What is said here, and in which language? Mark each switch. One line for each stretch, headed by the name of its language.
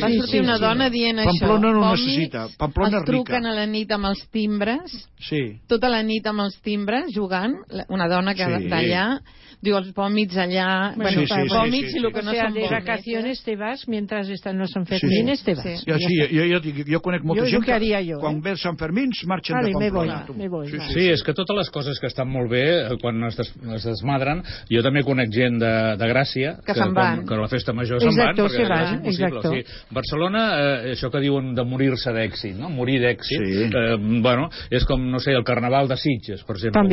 Catalan: Va sortir una dona dient això. Pamplona no necessita. Pamplona rica. Els truquen a la nit amb els timbres. Sí. Tota la nit amb els timbres, jugant. Una dona que d'allà... Digo, els vòmits allà... Bueno, vòmits i el que no són vòmits.
Spanish: O sea, de vacaciones te vas mientras están los Sanfermines, te vas.
Catalan: Jo conec molta gent que... Quan ve el Sant Fermín, marxen de Pamplona. Sí, és que totes les coses que estan molt bé, quan es desmadren, jo també conec gent de Gràcia, que la festa major se'n van. Exacte, se'n van. Barcelona, això que diuen de morir-se d'èxit, no? Morir d'èxit, bueno, és com, no sé, el Carnaval de Sitges, per exemple.